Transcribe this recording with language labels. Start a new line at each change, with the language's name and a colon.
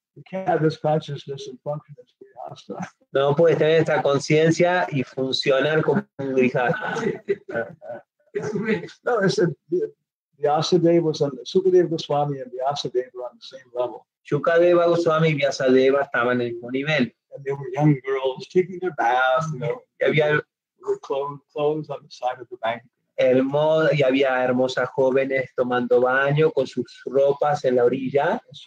English: You can't have this consciousness and function as grihastha.
Spanish: No puedes tener esta conciencia y funcionar como un grihastha.
English: No, it's a Vyasadeva was on Sukadeva Goswami and Vyasadeva were on the same level.
Spanish: Shukadeva Goswami y Vyasadeva estaban en el mismo nivel.
English: And there were young girls taking their baths, clothes on the side of the bank.
Spanish: Y había hermosas jóvenes tomando baño con sus ropas en la orilla.